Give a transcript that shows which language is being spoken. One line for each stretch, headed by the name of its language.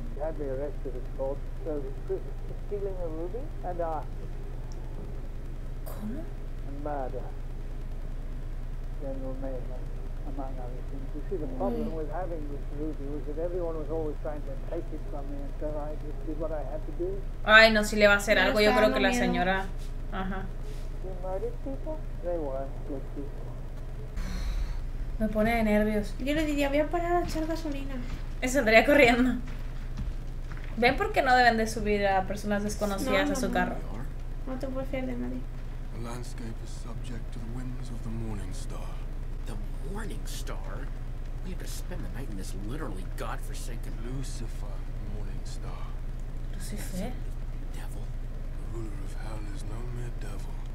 English: She had me arrested in court for stealing a ruby and art.
Spanish: ¿Cómo?
English: And murder. General Mayhem, among other things. You see, the problem with having this ruby was that everyone was always trying to take it from me, and so I just did what I had to do.
Spanish: Ay, no, si le va a hacer algo, yo creo que la señora...
English: You murdered people? They weren't good people.
Spanish: Me pone de nervios. Yo le diría, voy a parar a echar gasolina. Eso andaría corriendo. ¿Ven por qué no deben de subir a personas desconocidas a su carro? No te puedes fiar de nadie.
English: The landscape is subject to the whims of the morning star. The morning star? We have to spend the night in this literally godforsaken Lucifer morning star. Lucifer? Devil? The ruler of hell is no mere devil.